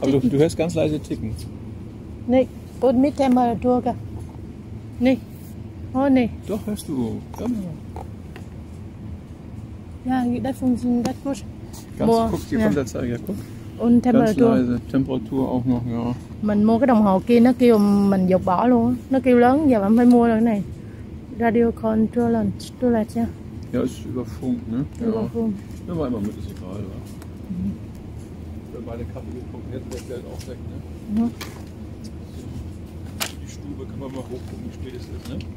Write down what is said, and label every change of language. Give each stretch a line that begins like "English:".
German: Aber du hörst ganz leise ticken. Nee, und mit Temperatur. Nee, oh nee. Doch, hörst du. Ja, das funktioniert gut. Ganz, boah, guck, hier kommt der Zeiger, guck. Und Temperatur. Ganz leise, Temperatur auch noch, ja.
Vietnamese: Mình mua cái đồng hồ kia, nó kêu mình dục bỏ luôn. Nó kêu lớn, giờ mình phải mua cái này.
English: Radio control,
Vietnamese: tu là chưa?
German: Ja, ist über Funk, ne? Über Funk. Ja, war immer mit, ist egal, oder? Mhm. Wenn meine Kappe getrunken hätte, wäre Geld auch weg, ne? Mhm. Kann man mal hochgucken, wie spät es ist, ne?